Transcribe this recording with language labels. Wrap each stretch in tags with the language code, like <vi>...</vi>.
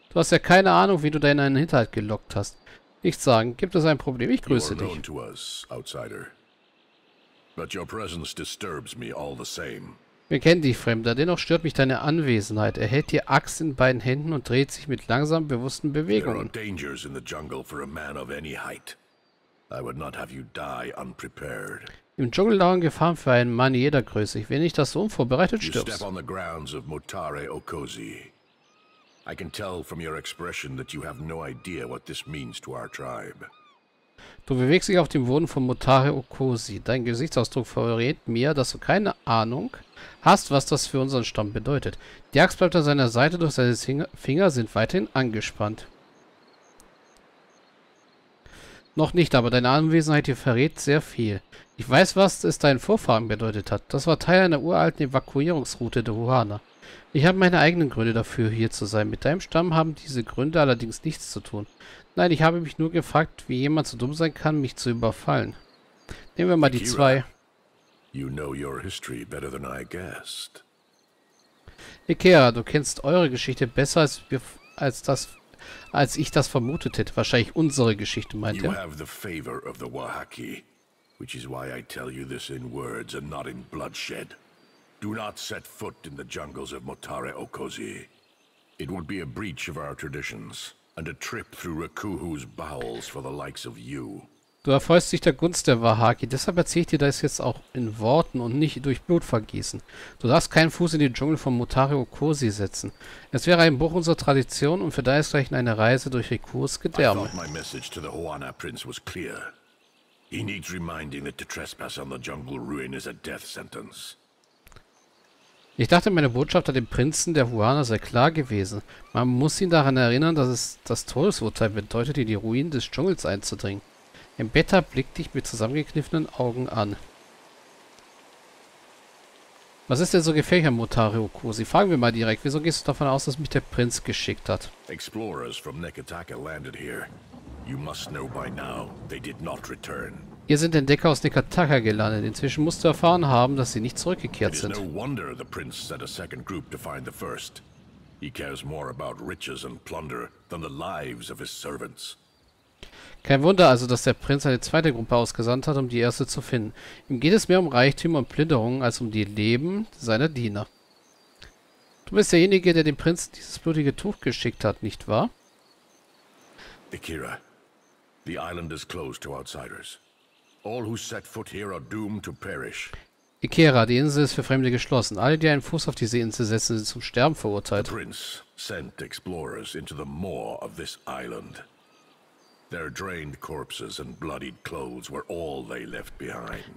<de>Du hast ja keine Ahnung, wie du deinen einen Hinterhalt gelockt hast. Nichts sagen. Gibt es ein Problem? Ich grüße dich. Du bist Outsider. Aber deine Präsenz</de> <en>disturbs</en> <de>mich</de> <en>all the same.</en> <de>Wir kennen dich, Fremder. Dennoch stört mich deine Anwesenheit. Er hält die Axt in beiden Händen und dreht sich mit langsam bewussten Bewegungen.</de> <en>There are dangers in the jungle for a man of any height. I would not have you die unprepared.</en> <de>Im Dschungel lauern Gefahren für einen Mann jeder Größe. Ich will nicht, dass du unvorbereitet stirbst.</de> <en>You step on the grounds of Motari Okosi. I can tell from your expression that you have no idea what this means to our tribe.</en> <de>Du bewegst dich auf dem Boden von Motari Okosi. Dein Gesichtsausdruck verrät mir, dass du keine Ahnung hast, was das für unseren Stamm bedeutet. Die Axt bleibt an seiner Seite, doch seine Finger sind weiterhin angespannt. Noch nicht, aber deine Anwesenheit hier verrät sehr viel. Ich weiß, was es deinen Vorfahren bedeutet hat. Das war Teil einer uralten Evakuierungsroute der Ruana. Ich habe meine eigenen Gründe dafür, hier zu sein. Mit deinem Stamm haben diese Gründe allerdings nichts zu tun. Nein, ich habe mich nur gefragt, wie jemand so dumm sein kann, mich zu überfallen. Nehmen wir mal die zwei.</de> <en>You know your history better than I guessed.</en> <de>Ikea, du kennst eure Geschichte besser als ich das vermutet hätte. Wahrscheinlich unsere Geschichte, meint er.</de> <en>You have the favor of the Wahaki, which is why I tell you this in words and not in bloodshed. Do not set foot in the jungles of Motari Okosi. It would be a breach of our traditions and a trip through Rakuhu's bowels for the likes of you.</en> <de>Du erfreust dich der Gunst der Wahaki, deshalb erzähle ich dir das jetzt auch in Worten und nicht durch Blutvergießen. Du darfst keinen Fuß in den Dschungel von Motari Okosi setzen. Es wäre ein Bruch unserer Tradition und für deinesgleichen eine Reise durch Rikus Gedärme. Ich dachte, meine</de> <en>Message to the Hoana Prince was clear. He needs reminding that to trespass on the jungle ruin is a death sentence.</en> <de>Ich dachte, meine Botschaft an den Prinzen der Hoana sei klar gewesen. Man muss ihn daran erinnern, dass es das Todesurteil bedeutet, in die Ruinen des Dschungels einzudringen. Embetta blickt dich mit zusammengekniffenen Augen an. Was ist denn so gefährlich an Motari Okosi? Fragen wir mal direkt. Wieso gehst du davon aus, dass mich der Prinz geschickt hat?</de> <en>Explorers from Nekataka landed here. You must know by now, they did not return.</en> <de>Hier sind Entdecker aus Nekataka gelandet. Inzwischen musst du erfahren haben, dass sie nicht zurückgekehrt sind. Es ist kein Wunder, dass der Prinz eine zweite Gruppe hat, um die erste zu finden. Er kümmert sich mehr um Reichtum und Plunder als die Leben seiner</de> <en>Servants.</en> <de>Kein Wunder also, dass der Prinz eine zweite Gruppe ausgesandt hat, um die erste zu finden. Ihm geht es mehr um Reichtum und Plünderung als um die Leben seiner Diener. Du bist derjenige, der dem Prinz dieses blutige Tuch geschickt hat, nicht wahr?</de> <en>Ikira, the island is closed to outsiders. All who set foot here are doomed to perish.</en> <de>Ikera, die Insel ist für Fremde geschlossen. Alle, die einen Fuß auf diese Insel setzen, sind zum Sterben verurteilt.</de> <en>The prince sent explorers into the maw of this island. Their drained corpses and bloodied clothes were all they left behind.</en>